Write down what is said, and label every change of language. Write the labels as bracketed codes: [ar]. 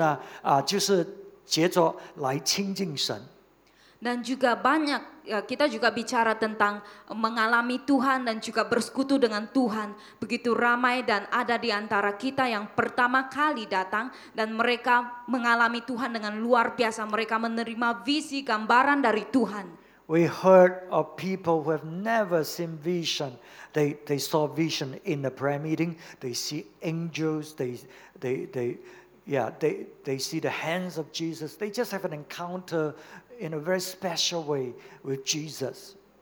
[zh] 所以我们讲到进入神的同在里面呢，有好一些弟兄姊妹第一次经历到神的真实，第一次经历到神的启示呢，就是接着来亲近神。 [ms] Dan juga banyak, kita juga bicara tentang mengalami Tuhan dan juga bersekutu dengan Tuhan. Begitu ramai dan ada di antara kita yang pertama kali datang dan mereka mengalami Tuhan dengan luar biasa. Mereka menerima visi gambaran dari Tuhan. [en] We heard of people who have never seen vision. They saw vision in the prayer meeting. They see angels. They see the hands of Jesus. They just have an encounter in a very special way with Jesus.